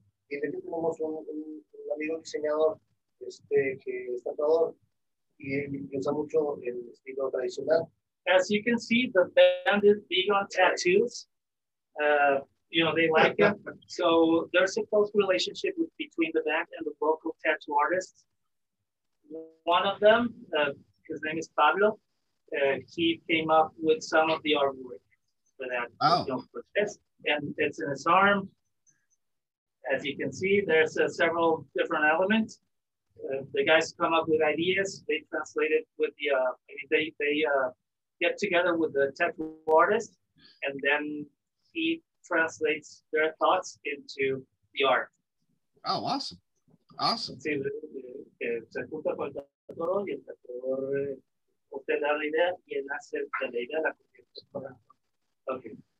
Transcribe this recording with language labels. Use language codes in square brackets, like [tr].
[es] Y tenemos un amigo diseñador que es tatuador y usa mucho el estilo tradicional. [en] As you can see, the band is big on tattoos. You know, they like it. So there's a close relationship between the band and the local tattoo artists. One of them, his name is Pablo, he came up with some of the artwork for that. And it's in his arm. As you can see, there's several different elements. The guys come up with ideas. They translate it with the, get together with the tattoo artist, and then he translates their thoughts into the art. Oh, awesome. [es] Sí, se junta con el tatuador y el tatuador obtiene la idea y él hace la idea la corriente.